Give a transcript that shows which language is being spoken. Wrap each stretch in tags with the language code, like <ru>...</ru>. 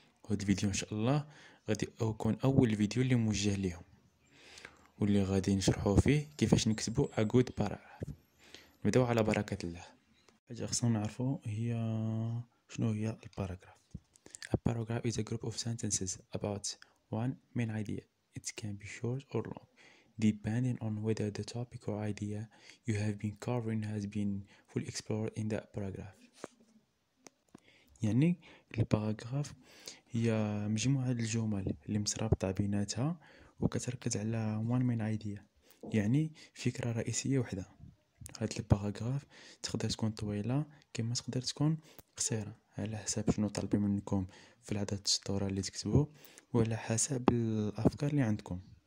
<ar>هاد الفيديو ان شاء الله غادي يكون اول فيديو اللي موجه ليهم، واللي غادي نشرحو فيه كيفاش نكتبو اغود باراغراف. نبداو على بركه الله. حاجه خصنا نعرفو هي شنو هي الباراغراف.</ar> <en>A paragraph is a group of sentences about one main idea. It can be short or long, depending on whether the topic or idea you have been covering has been fully explored in that paragraph.</en> <ar>يعني الباراغراف هي مجموعة الجمل اللي مترابطة بيناتها وكتركز على</ar> <en>one main idea،</en> <ar>يعني فكرة رئيسية واحدة. هاد الباراغراف تقدر تكون طويلة كما تقدر تكون قصيرة على حسب شنو طالب منكم في العدد السطور اللي تكتبوه وعلى حسب الافكار اللي عندكم.</ar>